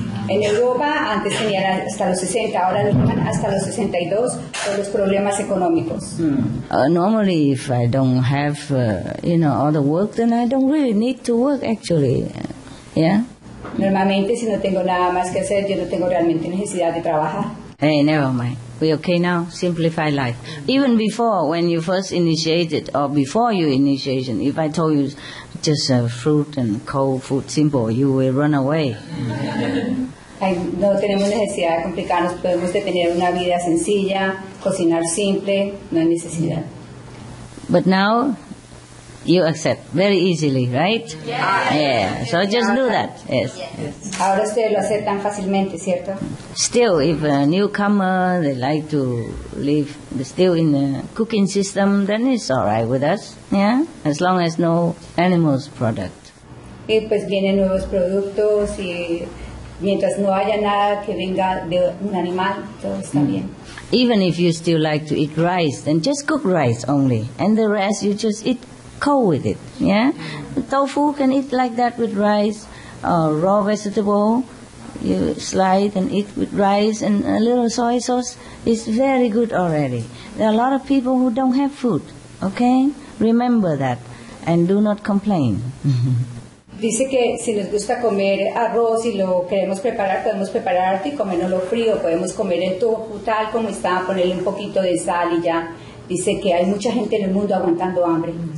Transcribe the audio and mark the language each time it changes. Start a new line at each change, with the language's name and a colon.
Spanish: En Europa, antes tenían hasta los 60, ahora llegan hasta los 62 por los problemas económicos.
English: Normally, if I don't have, you know, all the work, then I don't really need to work, actually. Yeah?
Spanish: Normalmente, si no tengo nada más que hacer, yo no tengo realmente necesidad de trabajar.
English: Hey, never mind. We're okay now? Simplify life. Even before, when you first initiated, or before your initiation, if I told you just fruit and cold food, simple, you will run away.
Spanish: No tenemos necesidad de complicarnos. Podemos tener una vida sencilla, cocinar simple, no hay necesidad.
English: But now, you accept very easily, right? Yes. Yeah. So just do that. Yes.
Spanish: Ahora usted lo hace tan fácilmente, ¿cierto?
English: Still, if a newcomer, they like to live still in the cooking system, then it's all right with us, yeah? As long as no animals product.
Spanish: Y pues vienen nuevos productos y mientras no haya nada que venga de un animal, todo está bien.
English: Even if you still like to eat rice, then just cook rice only, and the rest you just eat cold with it, yeah? Tofu can eat like that with rice, raw vegetable. You slide and eat with rice and a little soy sauce is very good already. There are a lot of people who don't have food, okay? Remember that and do not complain.
Spanish: Dice que si nos gusta comer arroz y lo queremos preparar, podemos prepararlo y comérnoslo frío. Podemos comer el tofu tal como está, ponerle un poquito de sal y ya. Dice que hay mucha gente en el mundo aguantando hambre.